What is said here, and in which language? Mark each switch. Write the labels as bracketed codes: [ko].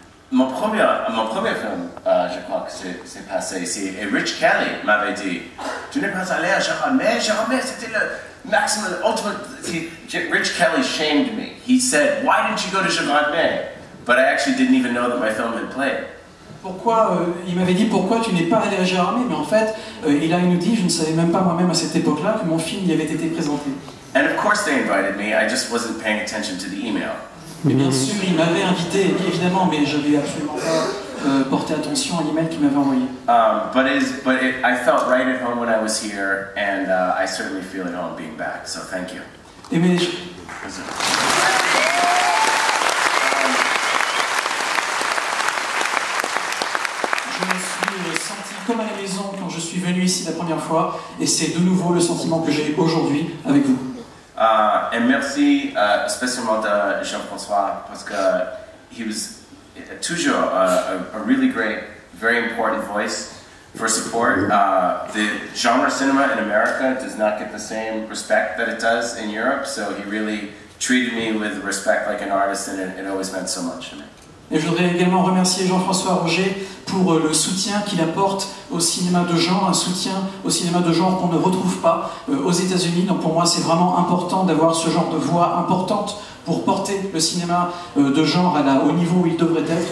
[fr] Mon premier film, je crois que c'est passé ici, et Rich Kelly m'avait dit, tu n'es pas allé à Jérôme, c'était le maximum, ultimate. [en] Rich Kelly shamed me. He said, why didn't you go to Jérôme? But I actually didn't even know that my film had played. [fr] Pourquoi, il m'avait dit, pourquoi tu n'es pas allé à Jérôme? Mais en fait, il a nous dit, je ne savais même pas moi-même à cette époque-là que mon film y avait été présenté. [en] And of course they invited me, I just wasn't paying attention to the email. [fr] Mais bien sûr, il m'avait invité, évidemment, mais je n'avais absolument pas porté attention à l'email qu'il m'avait envoyé. [en] I felt right at home when I was here, and I certainly feel at home being back, so thank you. [fr] Et mais je... Je me suis senti comme à la maison quand je suis venu ici la première fois, et c'est de nouveau le sentiment que j'ai aujourd'hui avec vous. Et merci spécialement à Jean-François parce que [en] he was toujours a really great, very important voice for support. The genre cinema in America does not get the same respect that it does in Europe, so he really treated me with respect like an artist, and it always meant so much to me. [fr] Et je voudrais également remercier Jean-François Roger pour le soutien qu'il apporte au cinéma de genre, un soutien au cinéma de genre qu'on ne retrouve pas aux États-Unis. Donc pour moi, c'est vraiment important d'avoir ce genre de voix importante pour porter le cinéma de genre au niveau où il devrait être.